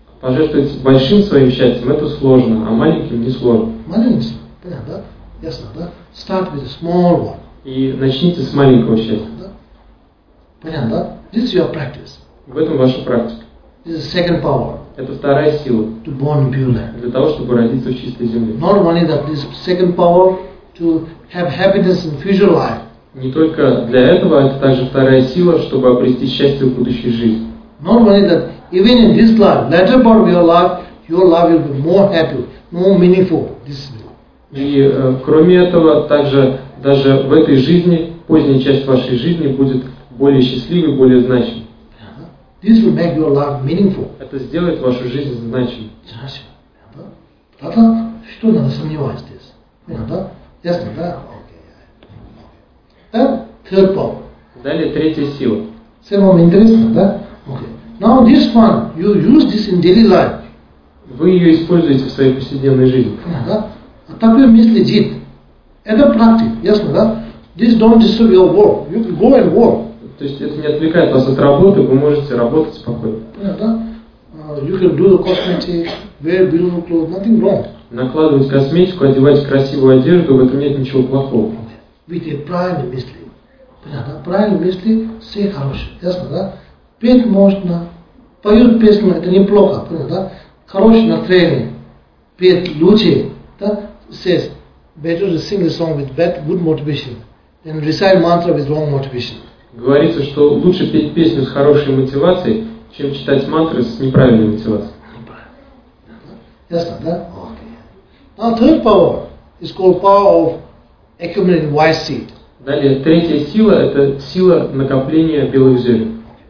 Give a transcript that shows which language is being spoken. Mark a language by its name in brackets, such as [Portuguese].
[Russian] Пожертвовать большим своим счастьем, это сложно, а маленьким не сложно. Маленьким, понятно? Ясно, да? [English] Start with a small one. [Russian] И начните с маленького счастья. Понятно, да? [English] This is your practice. [Russian] В этом ваша практика. [English] This is the second power. [Russian] Это вторая сила. [English] To born pure land. [Russian] Для того, чтобы родиться в чистой земле. [English] Not only that, this second power to have happiness in future life. [Russian] Не только для этого, это также вторая сила, чтобы обрести счастье в будущей жизни. [English] Not only that, even in this life, later part of your life will be more happy, more meaningful. This. [Russian] И кроме этого, также даже в этой жизни, поздняя часть вашей жизни будет более счастливый, более значимый. [English] This will make your life meaningful. [Russian] Это сделает вашу жизнь значимой. Значимой. Да? Тогда что надо сомневаться здесь? Да? Ясно, да? Окей. Да? [English] Third power. [Russian] Далее третья сила. Все вам интересно, да? Окей. [English] Now this one, you use this in daily life. [Russian] Вы ее используете в своей повседневной жизни. Да? А такое мысли дит. Это практика, ясно, да? [English] This don't disturb your work. You can go and work. [Russian] То есть это не отвлекает вас от работы, вы можете работать спокойно. Да? [English] You can do the cosmetic, wear beautiful clothes, nothing wrong. [Russian] Накладывать косметику, одевать красивую одежду, в этом нет ничего плохого. [English] With your [Russian] правильные мысли. Понятно? Правильные мысли, все хорошие. Ясно, да? Петь можно, поют песню, это неплохо. Понятно, да? Хорошее настроение. Петь лучше. Да? [English] Says, better to sing a song with bad, good motivation than recite mantra with wrong motivation. [Russian] Говорится, что лучше петь песню с хорошей мотивацией, чем читать мантры с неправильной мотивацией. Ясно, да? Окей. [English] Now third power is called power of accumulating wise seed. [Russian] Далее, третья сила – это сила накопления белых зерен.